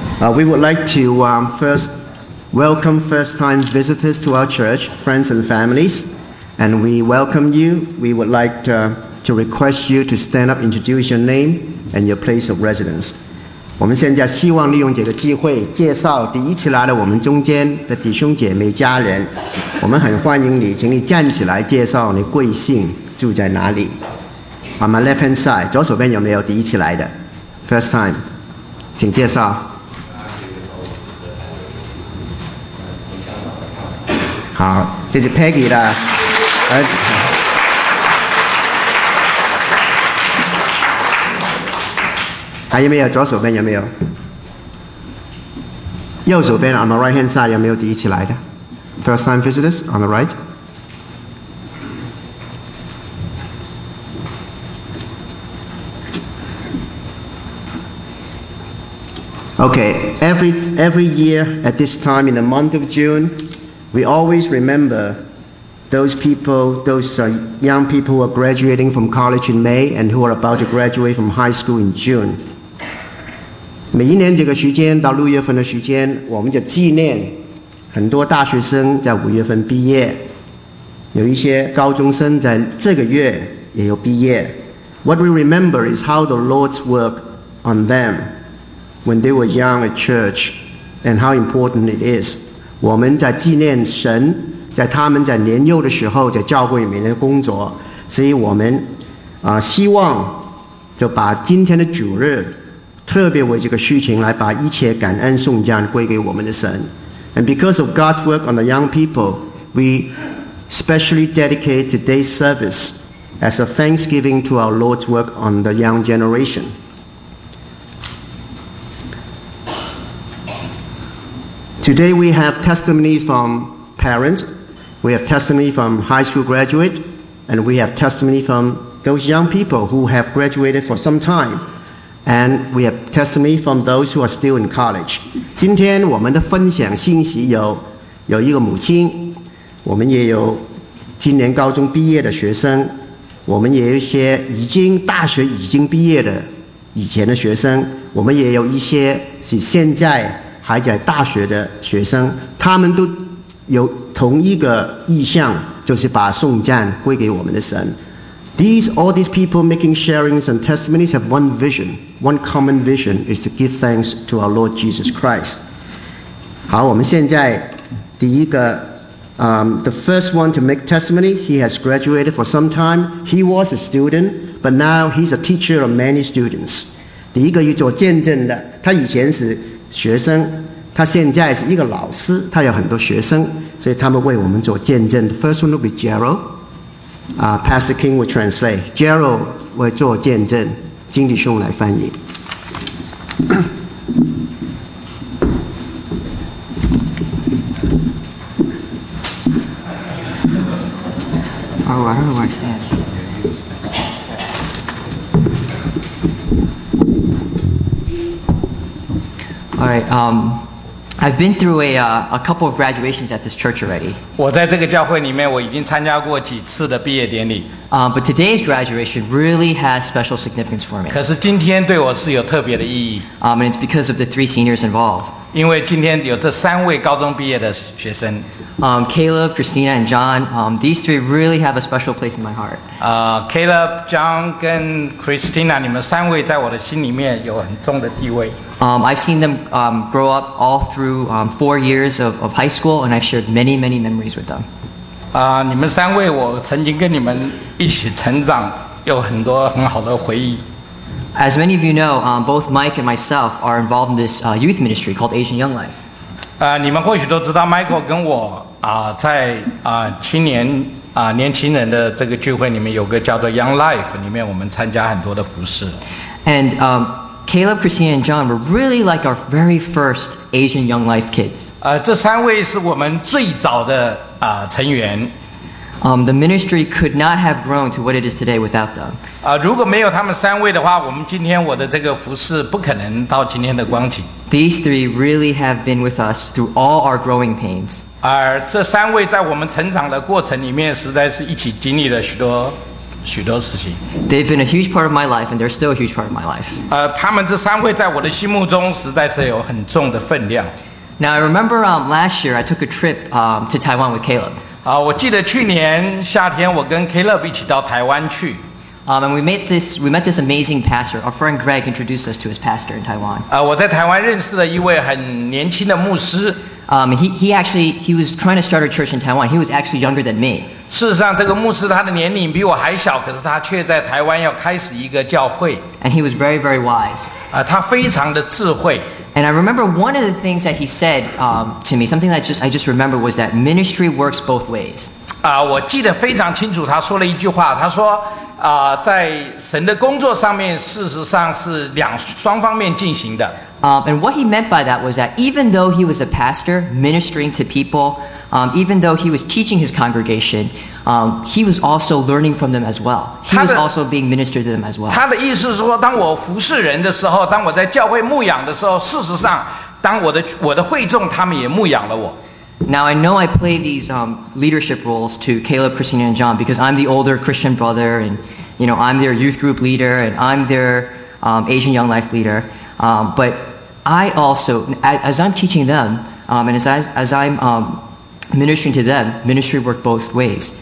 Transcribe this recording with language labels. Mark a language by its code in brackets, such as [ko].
[en] We would like to first welcome first-time visitors to our church, friends and families, and we welcome you. We would like to request you to stand up, introduce your name and your place of residence. [zh] 我们现在希望利用这个机会介绍第一次来到我们中间的弟兄姐妹家人。我们很欢迎你，请你站起来介绍你贵姓，住在哪里。 [en] On my left-hand side, [zh] 左手边有没有第一次来的 [en] first time, [zh] 请介绍。好，这是 Peggy 的儿子。还有没有？左手边有没有？右手边 [en] on the right hand side [zh] 有没有第一次来的 ？ [en] First time visitors on the right。 Okay, every year at this time in the month of June. We always remember those people, those young people who are graduating from college in May and who are about to graduate from high school in June. [zh] 每一年这个时间到六月份的时间，我们就纪念很多大学生在五月份毕业，有一些高中生在这个月也有毕业。 [en] What we remember is how the Lord's work on them when they were young at church and how important it is. [zh] 我们在纪念神在他们在年幼的时候在教会里面的工作，所以我们希望就把今天的主日特别为这个事情来把一切感恩颂赞归给我们的神。 [en] And because of God's work on the young people, we specially dedicate today's service as a thanksgiving to our Lord's work on the young generation. Today we have testimonies from parents, we have testimony from high school graduate, and we have testimony from those young people who have graduated for some time, and we have testimony from those who are still in college. [zh] 今天我们的分享信息有一个母亲，我们也有今年高中毕业的学生，我们也有一些已经大学已经毕业的以前的学生，我们也有一些是现在还在大学的学生，他们都有同一个意向，就是把颂赞归给我们的神。 [en] All these people making sharings and testimonies have one vision, one common vision is to give thanks to our Lord Jesus Christ. [zh] 好，我们现在第一个 [en] the first one to make testimony, he has graduated for some time, he was a student, but now he's a teacher of many students. [zh] 第一个要做见证的，他以前是学生，他现在是一个老师，他有很多学生，所以他们为我们做见证。 [en] The first one will be Gerald. Pastor King will translate. [zh] Gerald 为做见证，金弟兄来翻译。 [en] Oh, I don't know why it's that. All right, I've been through a couple of graduations at this church already. [zh] 我在这个教会里面我已经参加过几次的毕业典礼。 [en] But today's graduation really has special significance for me. [zh] 可是今天对我是有特别的意义。 [en] And it's because of the three seniors involved. [zh] 因为今天有这三位高中毕业的学生。 [en] Caleb, Christina, and John, these three really have a special place in my heart. [zh] Caleb, John, and Christina, 你们三位在我的心里面有很重的地位。 [en] I've seen them grow up all through 4 years of high school, and I've shared many, many memories with them. [zh] 你们三位，我曾经跟你们一起成长，有很多很好的回忆。 [en] As many of you know, both Mike and myself are involved in this youth ministry called Asian Young Life. [zh] 你们或许都知道 Michael 跟我在青年年轻人的这个聚会里面有个叫做 Young Life， 里面我们参加很多的服事。 [en] And Caleb, Christina, and John were really like our very first Asian Young Life kids. [zh] 这三位是我们最早的成员。 [en] The ministry could not have grown to what it is today without them. [zh] 如果没有他们三位的话，我们今天我的这个服事不可能到今天的光景。 [en] These three really have been with us through all our growing pains. [zh] 而这三位在我们成长的过程里面，实在是一起经历了许多许多事情。 [en] They've been a huge part of my life, and they're still a huge part of my life. [zh] 他们这三位在我的心目中实在是有很重的分量。 [en] Now I remember last year I took a trip to Taiwan with Caleb. [zh] 我记得去年夏天我跟 Caleb 一起到台湾去。 [en] And we met this amazing pastor. Our friend Greg introduced us to his pastor in Taiwan. [zh] 我在台湾认识了一位很年轻的牧师。 [en] He was trying to start a church in Taiwan. He was actually younger than me. [zh] 事实上，这个牧师他的年龄比我还小，可是他却在台湾要开始一个教会。 [en] And he was very, very wise. [zh] 他非常的智慧。 [en] And I remember one of the things that he said to me, something that I just remember was that ministry works both ways. [zh] 我记得非常清楚，他说了一句话，他说，在神的工作上面，事实上是双方面进行的。 [en] And what he meant by that was that even though he was a pastor ministering to people, even though he was teaching his congregation, he was also learning from them as well. He was also being ministered to them as well. [zh] 他的意思是说，当我服侍人的时候，当我在教会牧养的时候，事实上，当我的会众，他们也牧养了我。 [en] Now I know I play these leadership roles to Caleb, Christina, and John because I'm the older Christian brother, and you know I'm their youth group leader, and I'm their Asian Young Life leader. But I also, as I'm teaching them, and as I'm ministering to them, ministry worked both ways.